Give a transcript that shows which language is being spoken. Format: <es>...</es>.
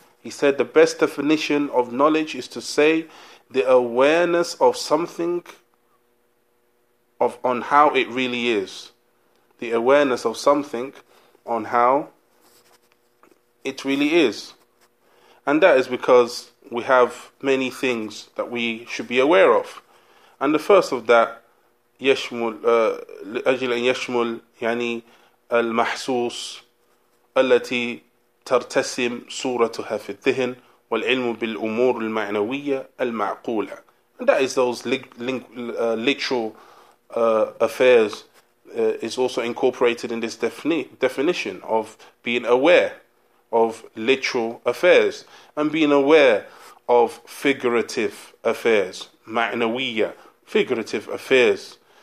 <en>He said the best definition of knowledge is to say the awareness of something of on how it really is. The awareness of something on how it really is. And that is because we have many things that we should be aware of. And the first of that,</en> <ar>أجل أن يشمل يعني المحسوس التي ترتسم صورتها في الذهن والعلم بالأمور المعنوية المعقولة.</ar> <en>And that is those literal affairs is also incorporated in this definition of being aware of literal affairs and being aware of figurative affairs, ma'nawiyya, figurative affairs.</en>